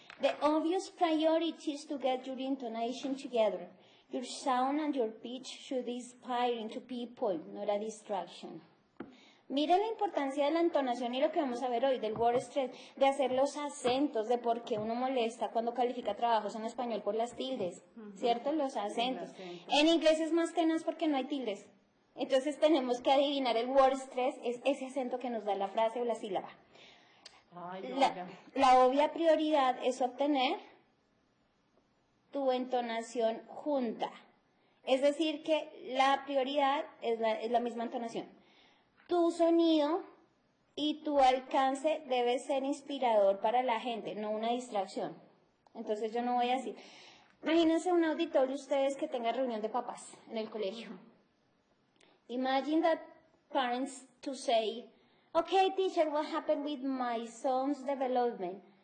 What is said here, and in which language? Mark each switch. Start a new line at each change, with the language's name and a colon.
English: The obvious priority is to get your intonation together. Your sound and your pitch should be inspiring to people, not a distraction.
Spanish: Mire la importancia de la entonación y lo que vamos a ver hoy, del word stress, de hacer los acentos, de por qué uno molesta cuando califica trabajos en español por las tildes. Uh-huh. ¿Cierto? Los acentos. Sí, los acentos. En inglés es más tenaz porque no hay tildes. Entonces tenemos que adivinar el word stress, es ese acento que nos da la frase o la sílaba. Ay, no, la obvia prioridad es obtener tu entonación junta. Es decir que la prioridad es la misma entonación. Tu sonido y tu alcance debe ser inspirador para la gente, no una distracción. Entonces yo no voy a decir, imagínense un auditorio ustedes que tenga reunión de papás en el colegio.
English: Imagine that parents to say, okay, teacher, what happened with my son's development?